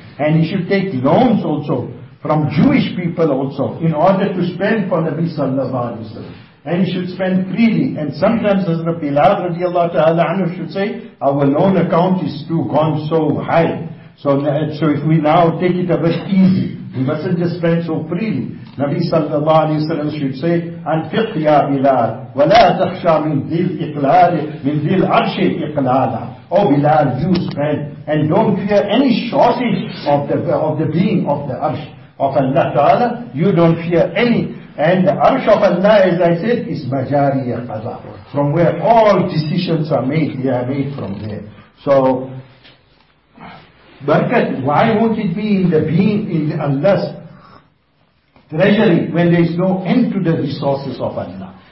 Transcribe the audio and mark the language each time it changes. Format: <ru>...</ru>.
<en>And he should take loans also from Jewish people also in order to spend for Nabi sallallahu alayhi wa sallam. And he should spend freely. And sometimes Hazrat Bilal radiallahu ta'ala anhu should say, our loan account is too gone so high. So if we now take it a bit easy, we mustn't just spend so freely.</en> <ar>Nabi sallallahu alayhi wa sallam should say, أَنْفِقْ يَا بِلَالِ وَلَا تَخْشَى مِنْ ذِي الْإِقْلَالِ مِنْ ذِي الْعَرْشِ إِقْلَالَ.</ar> <en>Oh Bilal, you spend, and don't fear any shortage of the being of the Arsh of Allah Ta'ala. You don't fear any. And the Arsh of Allah, as I said, is Majariya Qaza, from where all decisions are made. They are made from there. So, barakat, why won't it be in the being, in Allah's treasury, when there is no end to the resources of Allah?</en>